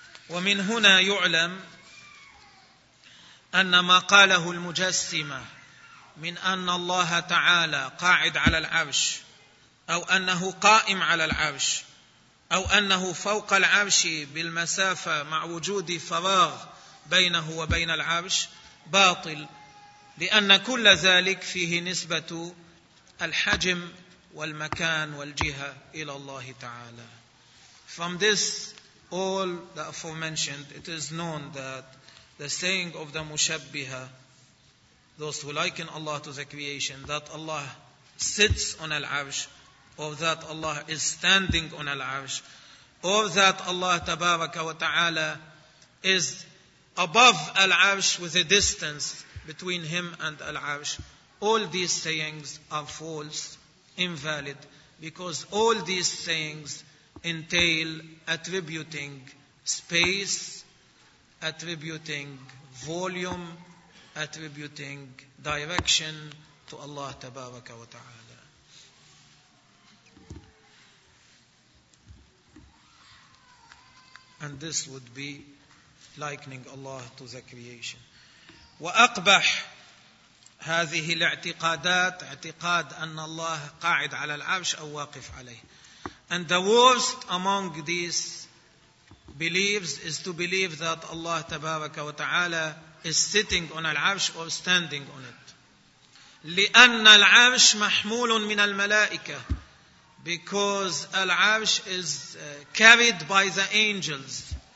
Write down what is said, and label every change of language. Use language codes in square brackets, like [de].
[ar] ومن هنا يعلم أن ما قاله المجسمة من أن الله تعالى قاعد على العرش أو أنه قائم على العرش أو أنه فوق العرش بالمسافة مع وجود فراغ بينه وبين العرش باطل، لأن كل ذلك فيه نسبة الحجم والمكان والجهة إلى الله تعالى. [en] From this all the aforementioned, it is known that the saying of the Mushabbiha, those who liken Allah to the creation, that Allah sits on al-Arsh, or that Allah is standing on al-Arsh, or that Allah [ar] Tabaraka wa Ta'ala [en] is above al-Arsh with a distance between him and al-Arsh, all these sayings are false, invalid, because all these sayings entail attributing space, attributing volume, attributing direction to Allah [ar] Tabaraka wa Ta'ala. [en] And this would be likening Allah to the creation. [ar] وأقبح هذه الاعتقادات اعتقاد أن الله قاعد على العرش أو واقف عليه. [en] And the worst among these beliefs is to believe that Allah [ar] Tabaraka wa Ta'ala [en] is sitting on al-Arsh or standing on it. [ar] لِأَنَّ الْعَرْشِ مَحْمُولٌ مِنَ الْمَلَائِكَةِ. [en] Because al-Arsh is carried by the angels.